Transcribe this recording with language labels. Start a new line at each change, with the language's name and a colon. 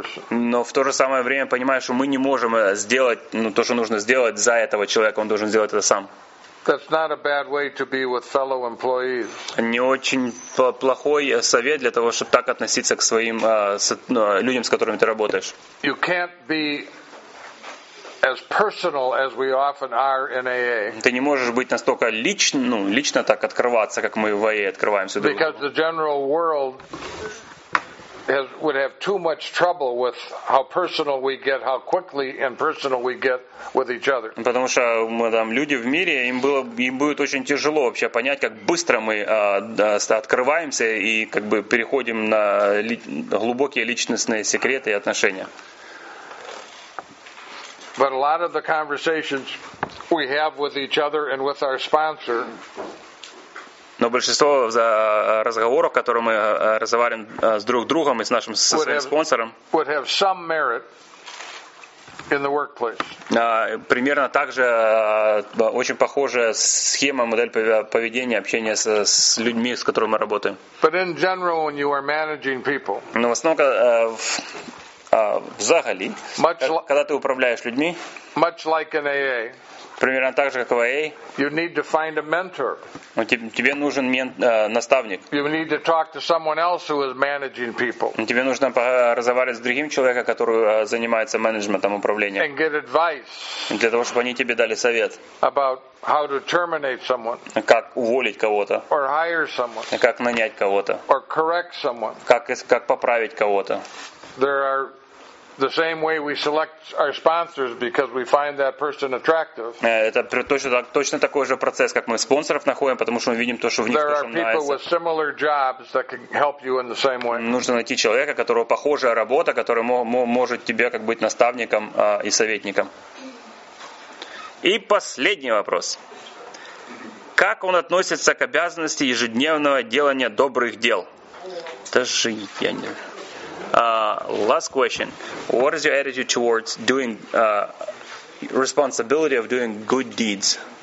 Russian: Но в то же самое время понимая, что мы не можем сделать то, что нужно сделать за этого человека, он должен сделать это сам.
English: That's not a bad way to be with fellow employees.
Russian: Не очень плохой совет для того, чтобы так относиться к своим людям, с которыми ты работаешь.
English: You can't be as personal as we often are in AA.
Russian: Ты не можешь быть настолько лично так открываться, как мы в AA открываемся.
English: Because the general world would have too much trouble with how personal we get, how quickly and personal we get with each other.
Russian: Потому что люди в мире, им будет очень тяжело вообще понять, как быстро мы открываемся и как бы переходим на глубокие личностные секреты и отношения.
English: But a lot of the conversations we have with each other and with our sponsor.
Russian: Но большинство разговоров, которые мы разговариваем с друг другом и с нашим спонсором,
English: would have some merit in the workplace.
Russian: Примерно так же, очень похожая схема, модель поведения, общения с людьми, с которыми мы работаем.
English: But in general, when you are managing people,
Russian: но в основном, взагалі, когда ты управляешь людьми,
English: much like in AA,
Russian: примерно так же, как в AA.
English: You need to find a mentor.
Russian: Тебе нужен наставник.
English: You need to talk to someone else who is managing people.
Russian: Тебе нужно разговаривать с другим человеком, который занимается менеджментом, управлением.
English: And get advice.
Russian: Для того, чтобы они тебе дали совет.
English: About how to terminate someone.
Russian: Как уволить кого-то.
English: Or hire someone.
Russian: Как нанять кого-то.
English: Or correct someone.
Russian: Как поправить кого-то.
English: There are the same way we select our sponsors because we find that person attractive.
Russian: Это точно такой же процесс, как мы спонсоров находим, потому что мы видим то, что в них нравится.
English: There are people with similar jobs that can help you in the same way.
Russian: Нужно найти человека, которого похожая работа, который может тебе как быть наставником и советником. И последний вопрос. Как он относится к обязанности ежедневного делания добрых дел? Даже я не.
English: Last question. What is your attitude towards doing responsibility of doing good deeds?